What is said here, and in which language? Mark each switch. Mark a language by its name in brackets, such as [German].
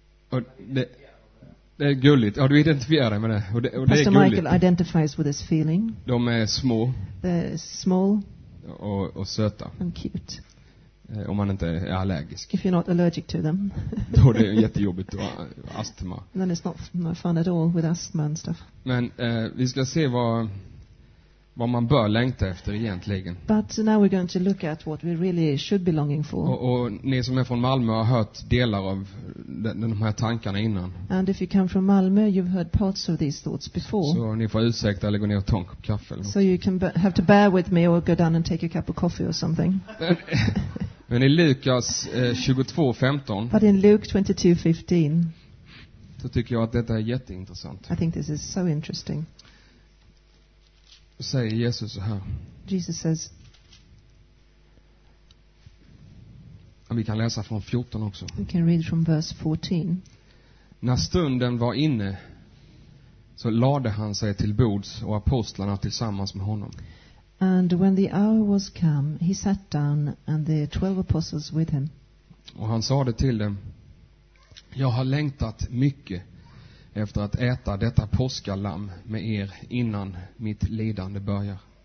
[Swedish] Och det är gulligt. Ja, du identifierar dig med det. Och det [English] Pastor Michael identifies with this feeling. [Swedish] De är små. [English] They're small. [Swedish] Och söta. [English] And cute. [Swedish] Om man inte är allergisk. [English] If you're not allergic to them. [Swedish] Då är det jättejobbigt att ha astma. [English] Then it's not fun at all with asthma and stuff. [Swedish] Men vi ska se vad man bör längta efter egentligen. [English] But now we're going to look at what we really should be longing for. [Swedish] Och ni som är från Malmö har hört delar av de här tankarna innan. [English] And if you come from Malmö, you've heard parts of these thoughts before. [Swedish] Så ni får ursäkta eller gå ner och ta en kopp kaffe. [English] So you can have to bear with me or go down and take a cup of coffee or something. [Swedish] Men i Lukas 22:15. [English] But in Luke 22:15. [Swedish] Så tycker jag att detta är jätteintressant. [English] I think this is so interesting. [Swedish] Säger Jesus så här. [English] Jesus says. [Swedish] Ja, vi kan läsa från 14 också. [English] We can read from verse 14. [Swedish] När stunden var inne så lade han sig till bords och apostlarna tillsammans med honom. [English] And when the hour was come, he sat down and the 12 apostles with him. [Swedish] Och han sa det till dem: jag har längtat mycket efter att äta detta påskalamm med er innan mitt lidande börjar.